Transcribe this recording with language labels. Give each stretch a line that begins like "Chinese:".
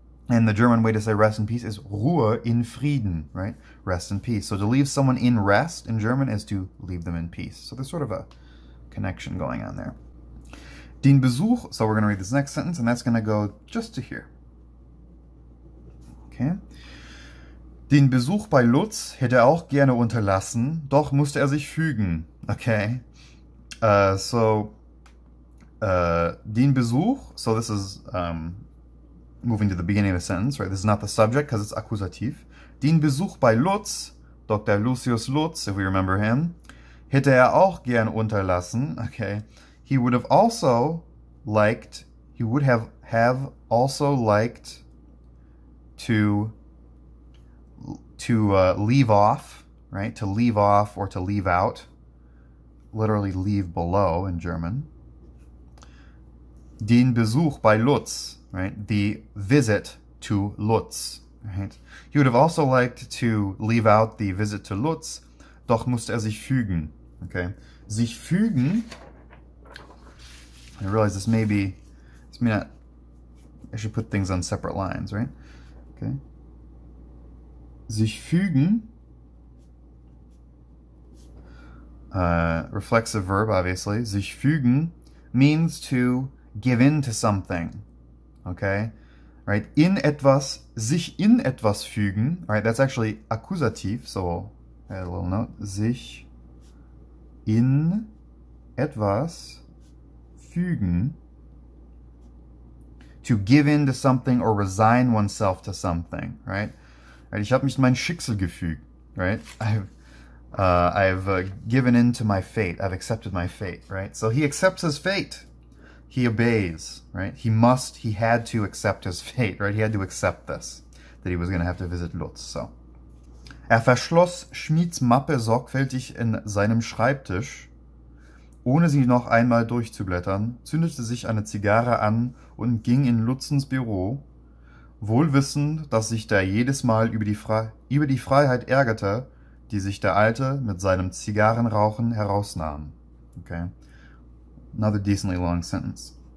English: And the German way to say rest in peace is
German: Ruhe in Frieden,
English: right? Rest in peace. So to leave someone in rest in German is to leave them in peace. So there's sort of a connection going on there.
German: Den Besuch,
English: so we're going to read this next sentence, and that's going to go just to here. Okay. Den Besuch bei Lutz hätte er auch gerne unterlassen, doch musste er sich fügen. Okay.
German: Den Besuch,
English: so this is moving to the beginning of the sentence, right? This is not the subject because it's akkusativ.
German: Den Besuch bei Lutz, Dr. Lucius Lutz,
English: if we remember him,
German: hätte er auch gerne unterlassen.
English: Okay. He would have also liked, he would have also liked to leave off, right? To leave off or to leave out. Literally leave below in German.
German: Den Besuch bei Lutz,
English: right? The visit to Lutz, right? He would have also liked to leave out the visit to Lutz,
German: doch musste er sich fügen,
English: okay? Sich fügen, I realize this may not, I should put things on separate lines, right? Okay. Sich fügen, reflexive verb, obviously. Sich fügen means to give in to something, okay?
German: Right, in etwas, sich in etwas fügen, right?
English: That's actually accusative, so add a little note.
German: Sich in etwas fügen,
English: to give in to something or resign oneself to something, right?
German: Right, ich habe mich mein Schicksal gefügt, right?
English: I've given in to my fate. I've accepted my fate, right? So he accepts his fate. He obeys, right? He had to accept his fate, right? He had to accept this, that he was going to have to visit Lutz, so.
German: Er verschloss Schmieds Mappe sorgfältig in seinem Schreibtisch, ohne sie noch einmal durchzublättern, zündete sich eine Zigarre an und ging in Lutzens Büro, wohl wissend, dass sich der jedes Mal über die Freiheit ärgerte, die sich der Alte mit seinem Zigarrenrauchen herausnahm.
English: Okay. Another decently long sentence.